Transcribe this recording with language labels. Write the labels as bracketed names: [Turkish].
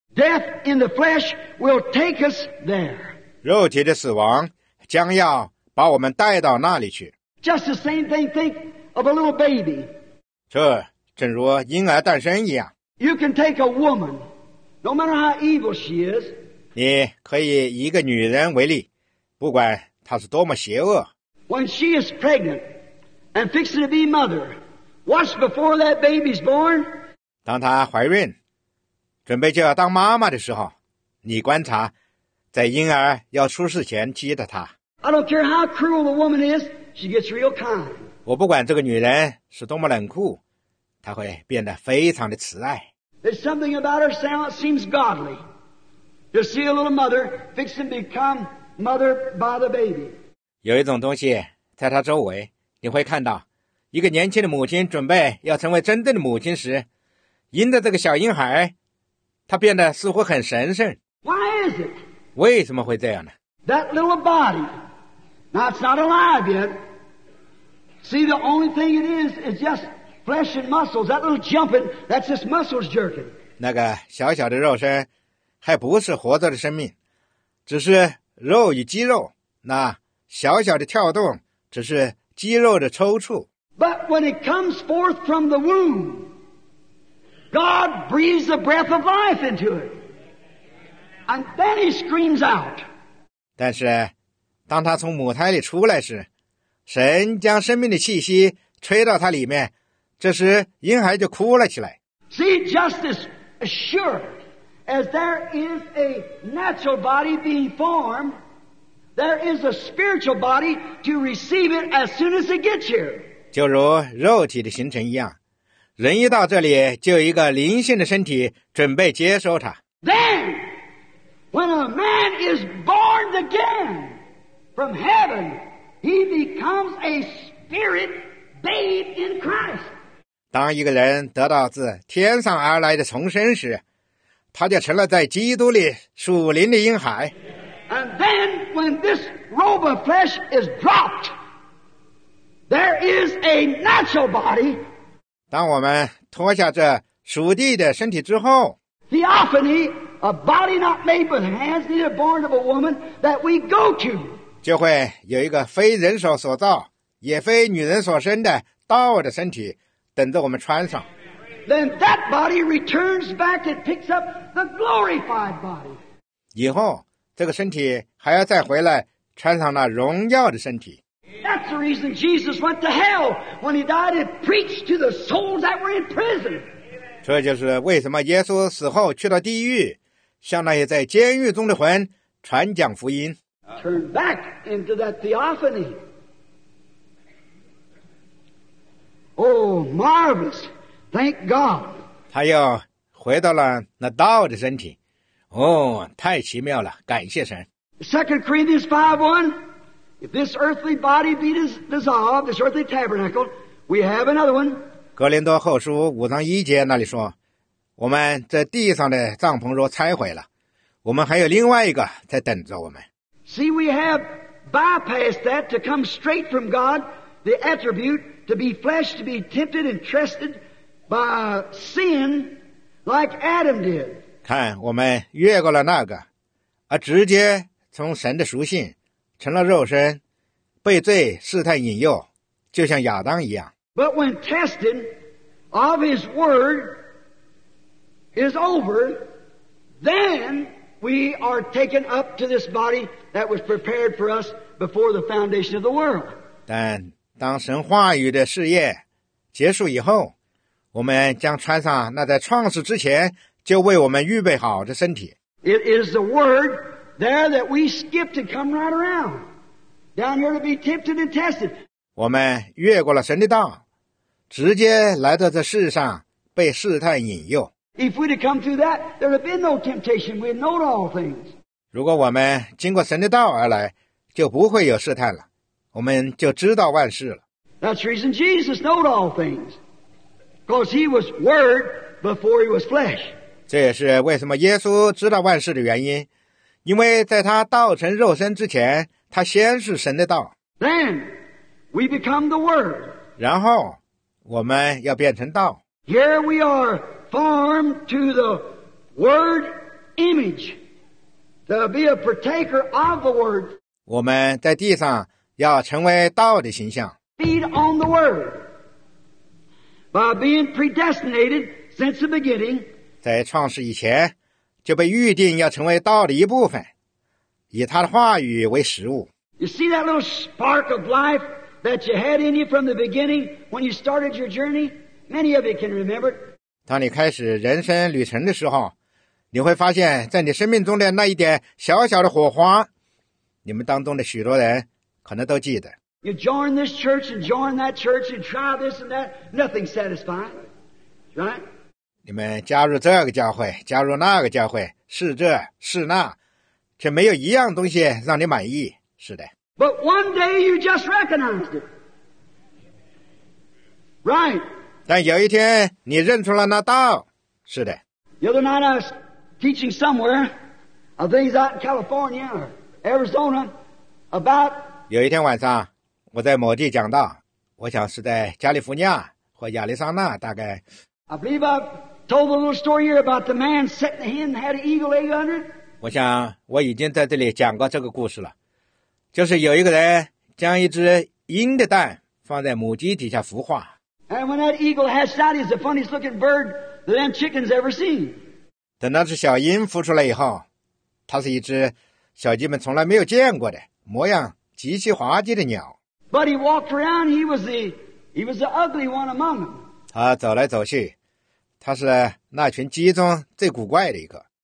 [English] Death in the flesh will take us there. [Chinese] 肉体的死亡将要把我们带到那里去。 [English] Just the same thing, think of a little baby. [Chinese] 这正如婴儿诞生一样。 [English] You can take a woman, no matter how evil she is. [Chinese] 你可以一个女人为例，不管她是多么邪恶。 [English] When she is pregnant and fixing to be mother, watch before that baby's born. [Chinese] 当她怀孕，准备就要当妈妈的时候，你观察，在婴儿要出世前接的她。 [English] I don't care how cruel the woman is, she gets real kind. [Chinese] 我不管这个女人是多么冷酷，她会变得非常的慈爱。 [English] There's something about her sound that seems godly. You see a little mother fixing to become mother by the baby. [Chinese] 有一种东西在她周围，你会看到一个年轻的母亲准备要成为真正的母亲时，因着这个小婴孩，她变得似乎很神圣。 [English] Why is it? [Chinese] 为什么会这样呢？ [English] That little body, now it's not alive yet. See, the only thing it is just flesh and muscles. That little jumping, that's just muscles jerking. [Chinese] 那个小小的肉身还不是活着的生命，只是肉与肌肉。那小小的跳动只是肌肉的抽搐。 [English] But when it comes forth from the womb, God breathes the breath of life into it. And then he screams out. [Chinese] 但是当他从母胎里出来时，神将生命的气息吹到他里面，这时婴孩就哭了起来。 [English] See, just as sure as there is a natural body being formed, there is a spiritual body to receive it as soon as it gets here. [Chinese] 就如肉体的形成一样，人一到这里，就有一个灵性的身体准备接收它。 [English] Then, when a man is born again from heaven, he becomes a spirit babe in Christ. [Chinese] 当一个人得到自天上而来的重生时，他就成了在基督里属灵的婴孩。 [English] And then, when this robe of flesh is dropped, there is a natural body. [Chinese] 当我们脱下这属地的身体之后， [English] Theophany, a body not made with hands, neither born of a woman, that we go to. [Chinese] 就会有一个非人手所造，也非女人所生的道的身体，等着我们穿上。 [English] Then that body returns back and picks up the glorified body. [Chinese] 以后这个身体还要再回来穿上那荣耀的身体。 [English] That's the reason Jesus went to hell when he died and preached to the souls that were in prison. [Chinese] 这就是为什么耶稣死后去到地狱，向那些在监狱中的魂传讲福音。 [English] Turn back into that theophany. marvelous. Thank God. [Chinese] 他又回到了那道的身体。哦，太奇妙了，感谢神。 [English] 2 Corinthians 5:1, if this earthly body be dissolved, this earthly tabernacle, we have another one. [Chinese] 哥林多后书5:1那里说，我们这地上的帐篷若拆毁了，我们还有另外一个在等着我们。 [English] See, we have bypassed that to come straight from God, the attribute to be flesh, to be tempted and tested by sin like Adam did. [Chinese] 看，我们越过了那个，而直接从神的属性成了肉身，被罪试探引诱，就像亚当一样。 [English] But when testing of his word is over, then we are taken up to this body that was prepared for us before the foundation of the world. [Chinese] 但当神话语的试验结束以后，我们将穿上那在创始之前就为我们预备好的身体。 [English] It is the word there that we skip to come right around down here to be tempted and tested. [Chinese] 我们越过了神的道，直接来到这世上被试探引诱。 [English] If we'd have come through that, there would have been no temptation. We'd know all things. [Chinese] 如果我们经过神的道而来，就不会有试探了，我们就知道万事了。 [English] That's the reason Jesus knowed all things. Because he was word before he was flesh. [Chinese] 这也是为什么耶稣知道万事的原因，因为在他道成肉身之前，他先是神的道。 [English] Then we become the word. [Chinese] 然后我们要变成道。 [English] Here we are formed to the word image, to be a partaker of the word. [Chinese] 我们在地上要成为道的形象。 [English] Feed on the word by being predestinated since the beginning. [Chinese] 在创世以前就被预定要成为道的一部分，以他的话语为食物。 [English] You see that little spark of life that you had in you from the beginning when you started your journey? Many of you can remember. [Chinese] 当你开始人生旅程的时候，你会发现在你生命中的那一点小小的火花，你们当中的许多人可能都记得。 [English] You join this church and join that church and try this and that, nothing satisfying, right? [Chinese] 你们加入这个教会，加入那个教会，是这是那，却没有一样东西让你满意，是的。 [English] But one day you just recognized it, right? [Chinese] 但有一天你认出了那道，是的。 [English] The other night I was teaching somewhere, I think it's out in California or Arizona, about. [Chinese] 有一天晚上我在某地讲道，我想是在加利福尼亚或亚利桑那大概。 [English] I believe I've told a little story here about the man setting the hen had an eagle egg under it. [Chinese] 我想我已经在这里讲过这个故事了，就是有一个人将一只鹰的蛋放在母鸡底下孵化。 [English] And when that eagle hatched out, he's the funniest looking bird that them chickens ever seen. [Chinese] 等那只小鹰孵出来以后，它是一只小鸡们从来没有见过的，模样极其滑稽的鸟。 [English] But he walked around, he was the ugly one among them. [Chinese] 他走来走去，他是那群鸡中最古怪的一个。